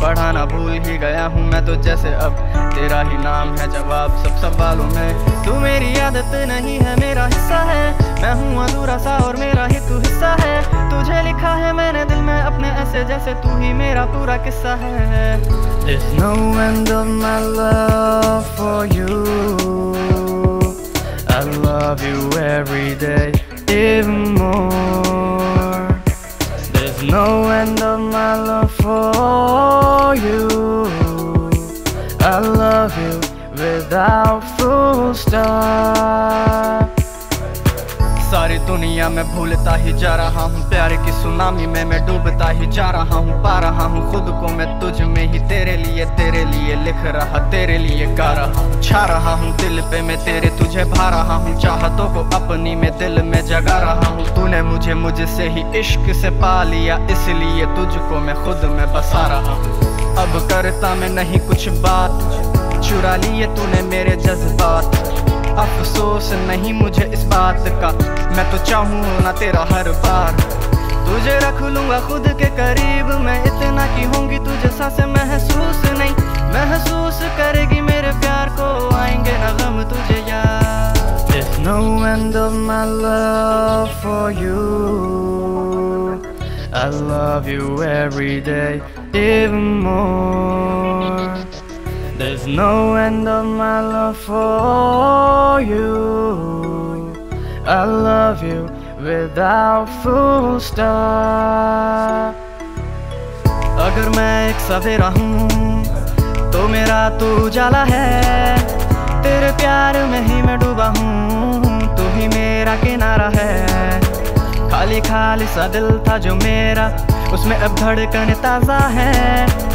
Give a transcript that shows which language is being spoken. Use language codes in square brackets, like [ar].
[hi] पढ़ाना भूल ही गया हूँ मैं तो जैसे अब तेरा ही नाम है जवाब सब सवालों में। तू मेरी आदत नहीं है, मेरा हिस्सा है। मैं हूँ अधूरा सा और मेरा ही तू हिस्सा है। तुझे लिखा है मैंने दिल में अपने ऐसे जैसे तू ही मेरा पूरा किस्सा है। [en] There's no end of my love for you. I love you every day. Even more, there's no end of my love for you. I love you without full stop. [hi] सारी दुनिया में भूलता ही जा रहा हूँ, प्यार की सुनामी में मैं डूबता ही जा रहा हूँ। पा रहा हूँ खुद को मैं तुझ में ही, तेरे लिए लिख रहा, तेरे लिए गा रहा हूँ। छा रहा हूँ दिल पे मैं तेरे, तुझे भा रहा हूँ। चाहतों को अपनी में दिल में जगा रहा हूँ। तूने मुझे मुझसे ही इश्क से पा लिया, इसलिए तुझको मैं खुद में बसा रहा हूँ। अब करता मैं नहीं कुछ बात, चुरा लिए तूने मेरे जज्बात। अफसोस नहीं मुझे इस बात का, मैं तो चाहूँ ना तेरा हर बार। तुझे रख लूँगा खुद के करीब, मैं इतना की होंगी तुझे सांसे महसूस नहीं। महसूस करेगी मेरे प्यार को, आएंगे ना गम तुझे याद। [en] There's no end of my love for you. I love you every day even more. There's no end of my love for you. I love you without full stop. [hi] अगर मैं एक सवेरा हूँ तो मेरा तू जाला है। तेरे प्यार में ही मैं डूबा हूँ, तू ही मेरा किनारा है। खाली खाली सा दिल था जो मेरा, उसमें अब धड़कन ताजा है।